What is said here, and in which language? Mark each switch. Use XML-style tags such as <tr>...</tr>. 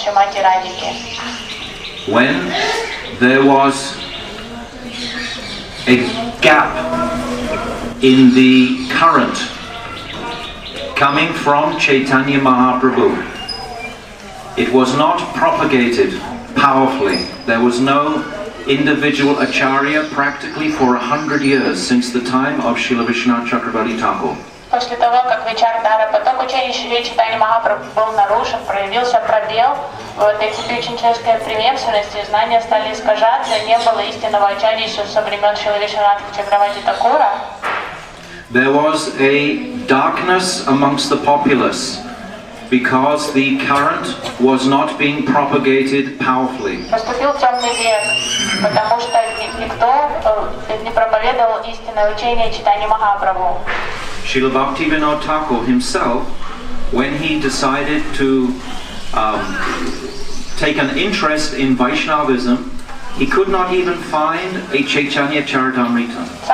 <en>When there was a gap in the current coming from Chaitanya Mahaprabhu, it was not propagated powerfully. There was no individual acharya practically for 100 years since the time of Srila Vishnu Chakravarti Thakur.</en> <ru>После того, как вечер дара поток учения Шри Чайтанья Махапрабху был нарушен, проявился пробел в этой типичной человеческой преемственности, знания стали искажаться, не было истинного очарья еще со времен Шрила Вишванатха Чакравати Такура.</ru> <en>There was a darkness amongst the populace because the current was not being propagated powerfully.</en> <ru>Поступил темный век, потому что никто не проповедовал истинное учение Чайтанья Махапрабху.</ru> <en>Srila Bhaktivinoda Thakur himself, when he decided to take an interest in Vaishnavism, he could not even find a Chaitanya Charitamrita.</en>